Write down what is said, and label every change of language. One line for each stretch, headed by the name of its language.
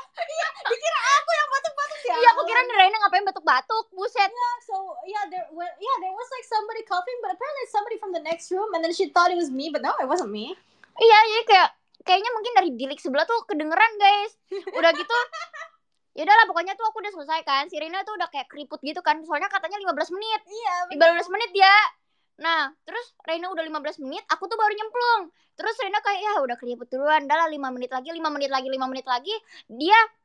Indonesian: Iya, dikira aku yang batuk-batuk sih. Iya, aku kira Reina ngapain batuk-batuk, buset.
English: Yeah, so yeah, there was like somebody coughing, but apparently somebody from the next room, and then she thought it was me, but no, it wasn't me.
Indonesian: Iya, jadi kayaknya mungkin dari bilik sebelah tuh kedengeran guys. Udah gitu, yaudahlah pokoknya tuh aku udah selesai kan. Si Reina tuh udah kayak keriput gitu kan, soalnya katanya 15 menit. Iya. 15 menit ya. Nah, terus Reina udah 15 menit, aku tuh baru nyemplung. Terus Reina kayak, ya udah keriput duluan, udah lah 5 menit lagi, 5 menit lagi, 5 menit lagi. Dia